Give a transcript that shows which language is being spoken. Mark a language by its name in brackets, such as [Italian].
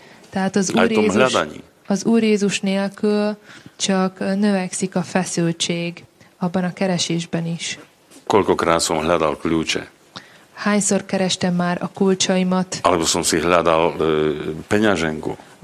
[Hungarian] Tehát az Úr Jézus, az Úr Jézus nélkül csak növekszik a feszültség abban a keresésben is. [Slovak] Koľkokrát som hľadal kľúče? [Hungarian] Hányszor kerestem már a kulcsaimat? [Slovak] Alebo som si hľadal peňaženku?